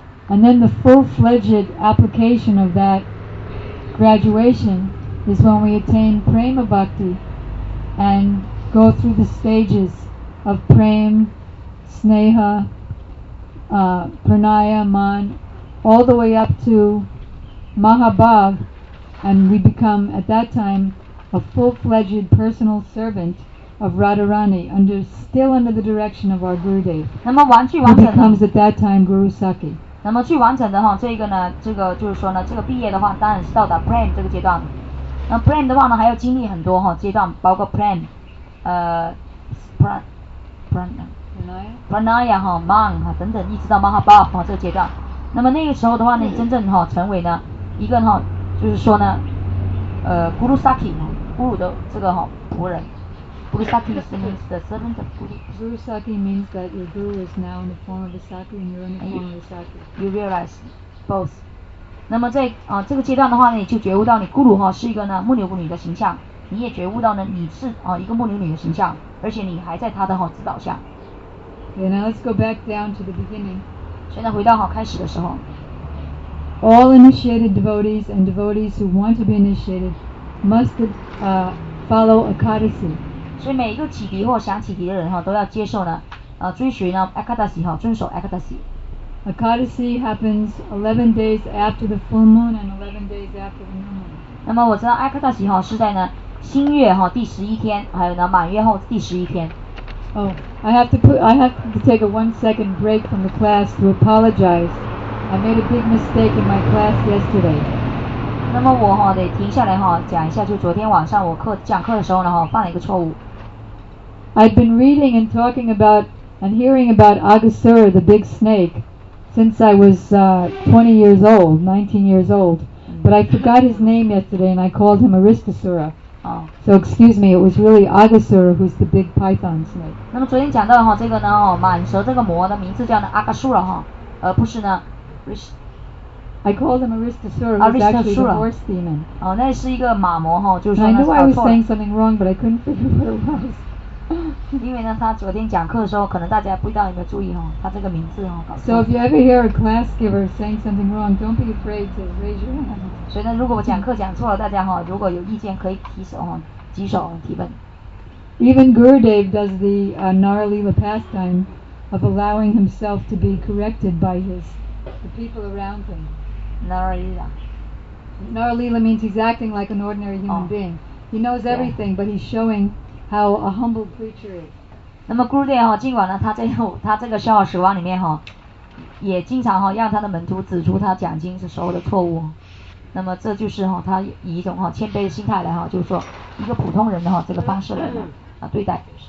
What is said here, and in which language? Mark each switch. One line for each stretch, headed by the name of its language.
English: And then the full-fledged application of that graduation is when we attain Prema Bhakti and go through the stages of Prema, Sneha, Pranaya, Man. All the way up to Mahabhav, and we become at that time a full-fledged personal servant of Radharani, still under the direction of our Gurudev.
Chinese: 那么完全完整的
English: becomes at that time Guru Sakhi.
Chinese: 那么最完整的哈，这个呢，这个就是说呢，这个毕业的话，当然是到达 Prem 这个阶段。那 Prem 的话呢，还要经历很多哈阶段，包括 Prem, Pranaya 哈 ，Man 哈等等，一直到 Mahabhav 哈这个阶段。那么那个时候的话呢，你真正哈成为呢一个哈，就是说呢，
English: Guru Sakhi 哈 ，Guru 的这个哈仆人 ，Guru Sakhi means the servant of Guru. Guru Sakhi means that your Guru is now in the form of a Sakhi and you're in the form of a Sakhi. You realize both.
Chinese: 那么在这个阶段的话呢，你就觉悟到你 Guru 哈是一个呢牧牛女的形象，你也觉悟到呢你是一个牧牛女的形象，而且你还在他的哈指导下。
English: Okay, now let's go back down to the beginning.
Chinese: 现在回到开始的时候
English: ，All initiated devotees and devotees who want to be initiated must follow Ekadasi.
Chinese: 所以每一个启迪或想启迪的人都要接受呢，追随呢 Ekadasi 遵守 Ekadasi.
English: Ekadasi happens 11 days after the full moon and 11 days after the new moon.
Chinese: 那么我知道 Ekadasi 是在呢新月第十一天，还有呢满月后第十一天。
English: Oh, I have to take a 1 second break from the class to apologize. I made a big mistake in my class yesterday.
Chinese: 那么我得停下来讲一下，就昨天晚上我讲课的时候呢犯了一个错误。
English: I've been reading and talking about and hearing about Agasura, the big snake, since I was 19 years old. But I forgot his name yesterday and I called him Aristasura. So excuse me, it was really Agasura who's the big python snake.
Chinese: 那么昨天讲到哈，这个呢，蟒蛇这个魔的名字叫呢阿卡苏拉哈，而不是呢
English: ，I called him Aristasura, who's actually the horse demon.
Chinese: 哦，那是一个马魔哈，就是说呢。
English: I knew I was saying something wrong, but I couldn't figure what it was.
Chinese: 因为呢，他昨天讲课的时候，可能大家不知道有没有注意哈，他这个名字搞错。
English: So if you ever hear a class giver saying something wrong, don't be afraid to raise your hand.
Chinese: 所以呢，如果我讲课讲错了，大家哈，如果有意见可以提手哈，举手提问。
English: Even Gurudev does the Naralila pastime of allowing himself to be corrected by the people around him. Naralila. Naralila means he's acting like an ordinary human being. He knows everything, but he's showing how a humble creature is.
Chinese: 那么 Gurudev 哈，尽管呢，他这个《笑傲十王》里面哈，也经常哈让他的门徒指出他讲经的时候的错误。那么这就是哈，他以一种哈谦卑的心态来哈，就是说一个普通人的哈这个方式来呢啊对待。